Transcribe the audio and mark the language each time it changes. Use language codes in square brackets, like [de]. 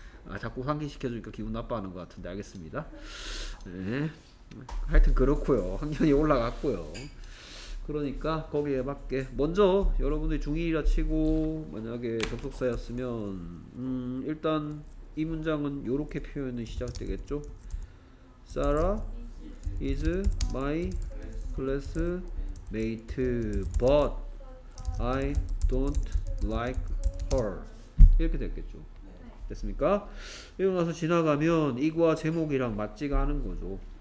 [ko] 아, 자꾸 환기시켜주니까 기분 나빠하는 것 같은데 알겠습니다. 네. 하여튼 그렇고요, 학년이 올라갔고요. 그러니까 거기에 맞게 먼저 여러분들이 중2라 치고 만약에 접속사였으면 일단 이 문장은 요렇게 표현이 시작되겠죠. [en] Sarah is my classmate, but I don't like her. [ko] 이렇게 됐겠죠. 됐습니까? 이거 가서 지나가면 이과 제목이랑 맞지가 않은 거죠.